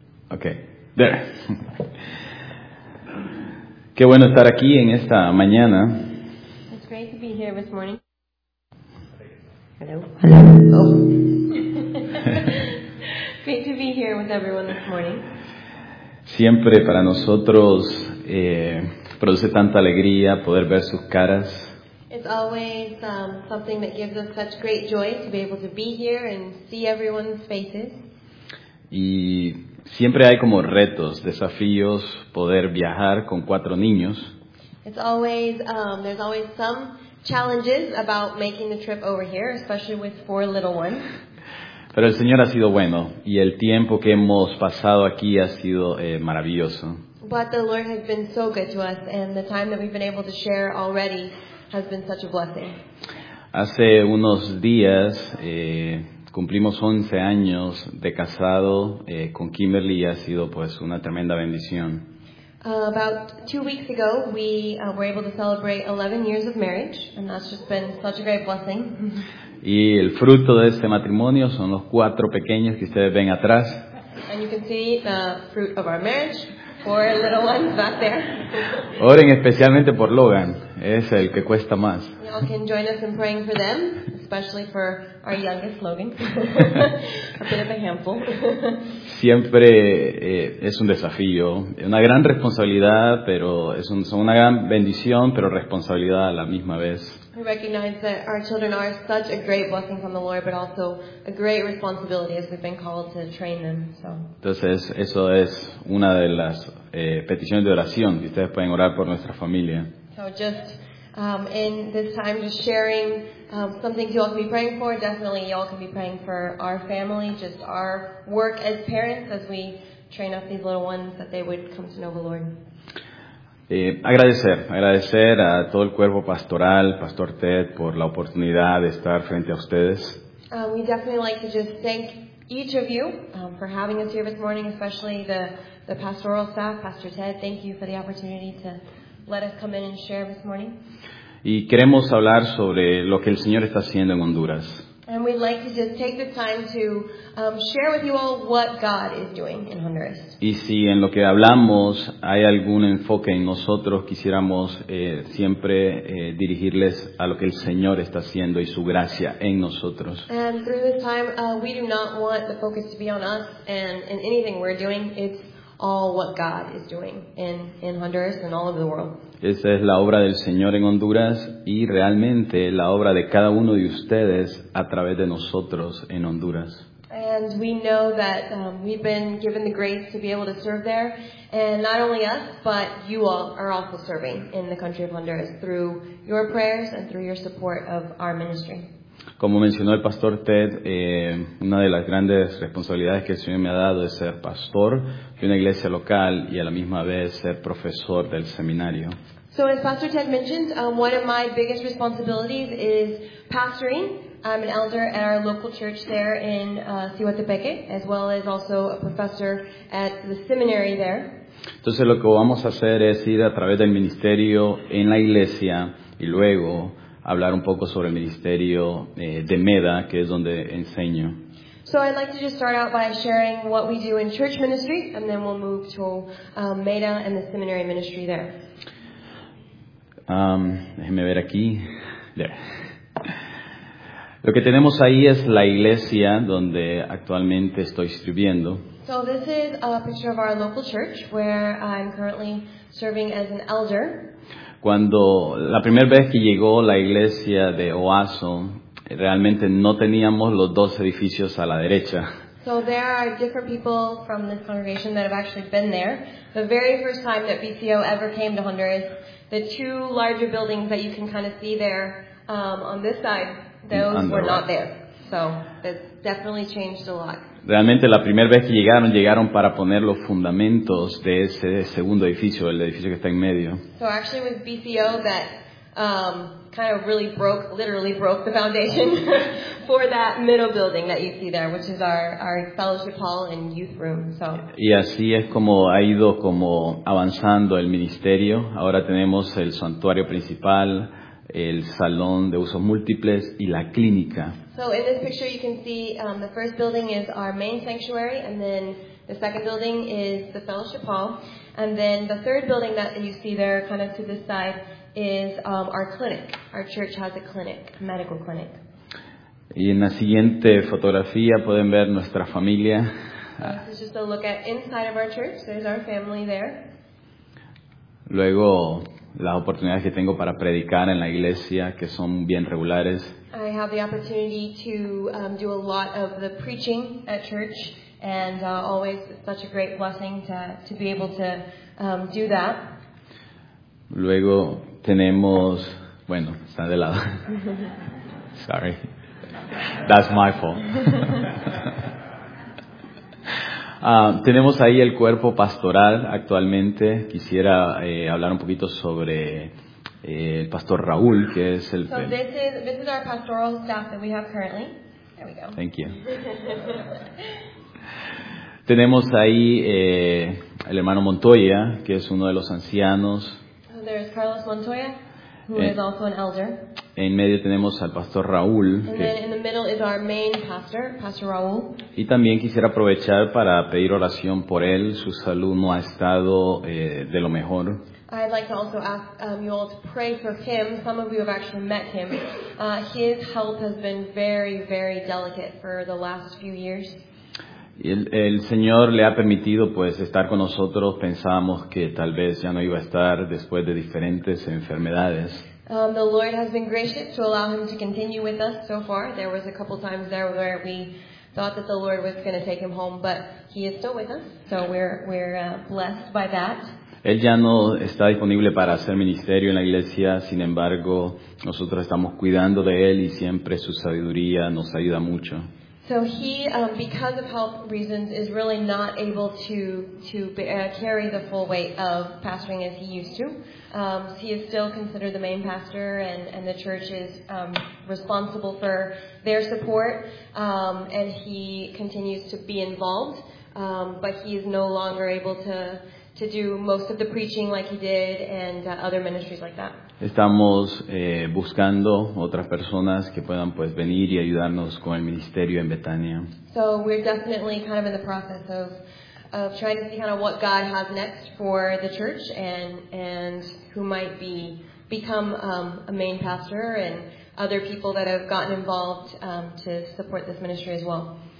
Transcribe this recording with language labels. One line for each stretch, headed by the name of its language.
English: Okay, there.
Spanish: Qué bueno estar aquí en esta mañana.
English: It's great to be here this morning. Hello. Great to be here with everyone this morning.
Spanish: Siempre para nosotros produce tanta alegría poder ver sus caras.
English: It's always something that gives us such great joy to be able to be here and see everyone's faces.
Spanish: Y siempre hay como retos, desafíos, poder viajar con cuatro niños.
English: It's always, there's always some challenges about making the trip over here, especially with four little ones.
Spanish: Pero el Señor ha sido bueno, y el tiempo que hemos pasado aquí ha sido maravilloso.
English: But the Lord has been so good to us, and the time that we've been able to share already has been such a blessing.
Spanish: Hace unos días, cumplimos 11 años de casado con Kimberly y ha sido pues una tremenda bendición.
English: About 2 weeks ago, we were able to celebrate 11 years of marriage, and that's just been such a great blessing.
Spanish: Y el fruto de este matrimonio son los cuatro pequeños que ustedes ven atrás.
English: And you can see the fruit of our marriage, four little ones back there.
Spanish: Oren especialmente por Logan, es el que cuesta más.
English: You all can join us in praying for them, especially for our youngest, Logan. A bit of a handful.
Spanish: Siempre es un desafío, una gran responsabilidad, pero es una gran bendición, pero responsabilidad a la misma vez.
English: We recognize that our children are such a great blessing from the Lord, but also a great responsibility as we've been called to train them. So.
Spanish: Entonces, eso es una de las peticiones de oración que ustedes pueden orar por nuestra familia.
English: So just in this time, just sharing some things you all can be praying for. Definitely, you all can be praying for our family, just our work as parents as we train up these little ones that they would come to know the Lord.
Spanish: Agradecer a todo el cuerpo pastoral, Pastor Ted, por la oportunidad de estar frente a ustedes.
English: We definitely like to just thank each of you for having us here this morning, especially the pastoral staff, Pastor Ted. Thank you for the opportunity to let us come in and share this morning.
Spanish: Y queremos hablar sobre lo que el Señor está haciendo en Honduras.
English: And we'd like to just take the time to share with you all what God is doing in Honduras.
Spanish: Y si en lo que hablamos hay algún enfoque en nosotros, quisiéramos siempre dirigirles a lo que el Señor está haciendo y su gracia en nosotros.
English: And through this time, we do not want the focus to be on us and in anything we're doing. It's all what God is doing in Honduras and all over the world.
Spanish: Esa es la obra del Señor en Honduras y realmente la obra de cada uno de ustedes a través de nosotros en Honduras.
English: And we know that we've been given the grace to be able to serve there, and not only us, but you all are also serving in the country of Honduras through your prayers and through your support of our ministry.
Spanish: Como mencionó el Pastor Ted, una de las grandes responsabilidades que el Señor me ha dado es ser pastor de una iglesia local y a la misma vez ser profesor del seminario.
English: So as Pastor Ted mentioned, one of my biggest responsibilities is pastoring. I'm an elder at our local church there in Siwatepeque, as well as also a professor at the seminary there.
Spanish: Entonces lo que vamos a hacer es ir a través del ministerio en la iglesia y luego hablar un poco sobre el ministerio de MEDA, que es donde enseño.
English: So I'd like to just start out by sharing what we do in church ministry, and then we'll move to MEDA and the seminary ministry there.
Spanish: Déjeme ver aquí.
English: There.
Spanish: Lo que tenemos ahí es la iglesia donde actualmente estoy sirviendo.
English: So this is a picture of our local church where I'm currently serving as an elder.
Spanish: Cuando la primera vez que llegó la iglesia de Oazo, realmente no teníamos los dos edificios a la derecha.
English: So there are different people from this congregation that have actually been there. The very first time that BCO ever came to Honduras, the two larger buildings that you can kind of see there on this side, those were not there. So it's definitely changed a lot.
Spanish: Realmente la primera vez que llegaron, llegaron para poner los fundamentos de ese segundo edificio, el edificio que está en medio.
English: So actually it was BCO that kind of really broke, literally broke the foundation for that middle building that you see there, which is our fellowship hall and youth room. So.
Spanish: Y así es como ha ido como avanzando el ministerio. Ahora tenemos el santuario principal, el salón de usos múltiples y la clínica.
English: So in this picture you can see the first building is our main sanctuary, and then the second building is the fellowship hall, and then the third building that you see there kind of to this side is our clinic. Our church has a clinic, a medical clinic.
Spanish: Y en la siguiente fotografía pueden ver nuestra familia.
English: This is just a look at inside of our church. There's our family there.
Spanish: Luego las oportunidades que tengo para predicar en la iglesia, que son bien regulares.
English: I have the opportunity to do a lot of the preaching at church, and always such a great blessing to be able to do that.
Spanish: Luego tenemos, bueno, está de lado.
English: Sorry. That's my fault.
Spanish: tenemos ahí el cuerpo pastoral actualmente. Quisiera hablar un poquito sobre el pastor Raúl, que es el.
English: So this is our pastoral staff that we have currently. There we go. Thank you.
Spanish: Tenemos ahí el hermano Montoya, que es uno de los ancianos.
English: So there is Carlos Montoya, who is also an elder.
Spanish: En medio tenemos al pastor Raúl.
English: And then in the middle is our main pastor, Pastor Raúl.
Spanish: Y también quisiera aprovechar para pedir oración por él. Su salud no ha estado de lo mejor.
English: I'd like to also ask you all to pray for him. Some of you have actually met him. His health has been very, very delicate for the last few years.
Spanish: El Señor le ha permitido pues estar con nosotros. Pensábamos que tal vez ya no iba a estar después de diferentes enfermedades.
English: The Lord has been gracious to allow him to continue with us so far. There was a couple times there where we thought that the Lord was going to take him home, but he is still with us, so we're blessed by that.
Spanish: Él ya no está disponible para hacer ministerio en la iglesia, sin embargo, nosotros estamos cuidando de él y siempre su sabiduría nos ayuda mucho.
English: So he, because of health reasons, is really not able to carry the full weight of pastoring as he used to. He is still considered the main pastor, and the church is responsible for their support, and he continues to be involved, but he is no longer able to do most of the preaching like he did and other ministries like that.
Spanish: Estamos buscando otras personas que puedan pues venir y ayudarnos con el ministerio en Betania.
English: So we're definitely kind of in the process of trying to see kind of what God has next for the church and who might become a main pastor and other people that have gotten involved to support this ministry as well.